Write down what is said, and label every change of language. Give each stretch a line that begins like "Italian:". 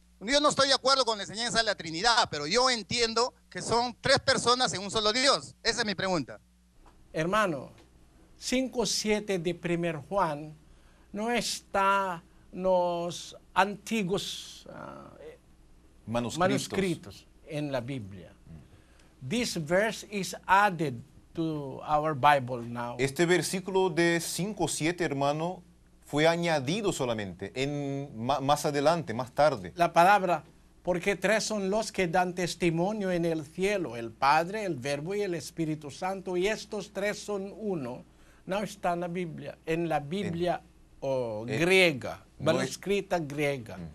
Spanish: Yo no estoy de acuerdo con la enseñanza de la Trinidad, pero yo entiendo que son tres personas en un solo Dios. Esa es mi pregunta. Hermano, 5:7 de 1 Juan no está en los antiguos manuscritos en la Biblia.
English: This verse is added to our Bible now.
Spanish: Este versículo de 5:7, hermano, fue añadido solamente en más adelante, más tarde. La palabra, porque tres son los que dan testimonio en el cielo, el Padre, el Verbo y el Espíritu Santo, y estos tres son uno, no está en la Biblia, griega, manuscrita griega.